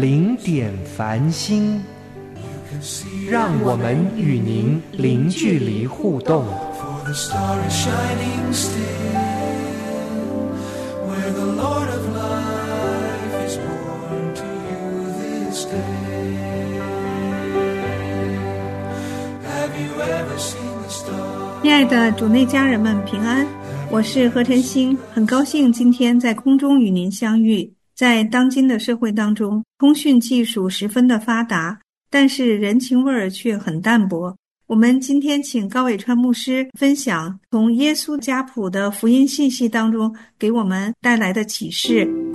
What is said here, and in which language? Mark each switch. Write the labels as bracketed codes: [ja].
[zh] 零点繁星，让我们与您零距离互动。 [en] For the star is shining still, where the Lord of life is born to you this day. Have you ever seen the star? [zh] 亲爱的主内家人们平安，我是何晨星，很高兴今天在空中与您相遇。在当今的社会当中，通讯技术十分的发达，但是人情味儿却很淡薄。我们今天请高伟川牧师分享从耶稣家谱的福音信息当中给我们带来的启示。